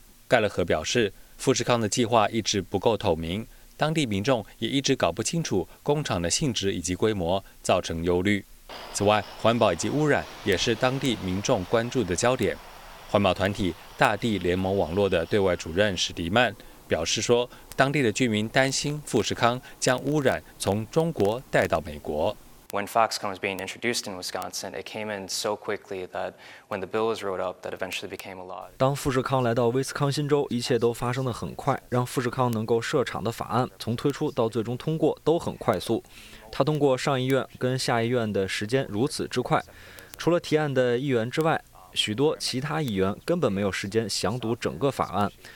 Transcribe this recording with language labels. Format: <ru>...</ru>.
<zh>盖勒河表示，富士康的计划一直不够透明，当地民众也一直搞不清楚工厂的性质以及规模，造成忧虑。此外，环保以及污染也是当地民众关注的焦点。环保团体大地联盟网络的对外主任史迪曼表示说，当地的居民担心富士康将污染从中国带到美国。</zh> <en>When Foxconn was being introduced in Wisconsin, it came in so quickly that when the bill was wrote up, that eventually became a law.</en> <zh>当富士康来到威斯康辛州，一切都发生得很快。让富士康能够设厂的法案，从推出到最终通过都很快速。他通过上议院跟下议院的时间如此之快，除了提案的议员之外，许多其他议员根本没有时间详读整个法案。</zh>